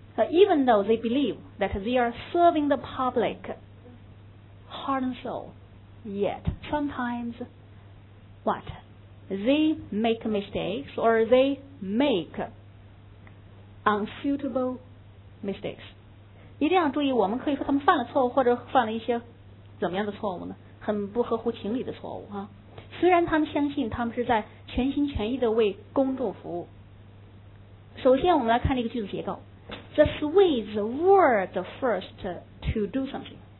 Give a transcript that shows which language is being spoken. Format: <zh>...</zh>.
<en>Even though they believe that they are serving the public heart and soul, yet sometimes what? They make mistakes or they make unsuitable mistakes.</en> <zh>一定要注意，我们可以说他们犯了错误，或者犯了一些怎么样的错误呢？很不合乎情理的错误啊。虽然他们相信他们是在全心全意的为公众服务。首先我们来看这个句子结构。</zh> <en>The Swedes were the first to do something.</en>